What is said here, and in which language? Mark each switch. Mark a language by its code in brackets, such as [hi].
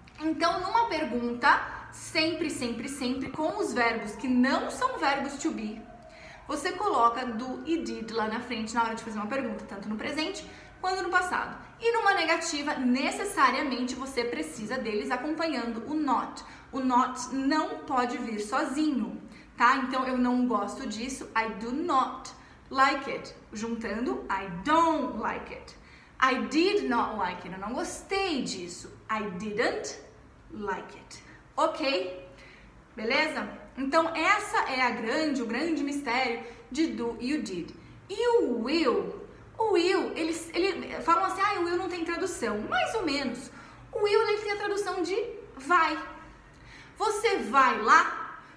[pt] Então, numa pergunta, sempre, sempre, sempre, com os verbos que não são verbos to be, você coloca do e did lá na frente na hora de fazer uma pergunta, tanto no presente quanto no passado. E numa negativa, necessariamente, você precisa deles acompanhando o not. O not não pode vir sozinho, tá? Então, eu não gosto disso, [en] I do not like it, [pt] juntando [en] I don't like it. I did not like it, [pt] eu não gostei disso, [en] I didn't like it. [pt] Ok? Beleza? Então, essa é o grande mistério de do e o did. E o will? O will, ele falam assim, ah, o will não tem tradução. Mais ou menos. O will, ele tem a tradução de vai. Você vai lá?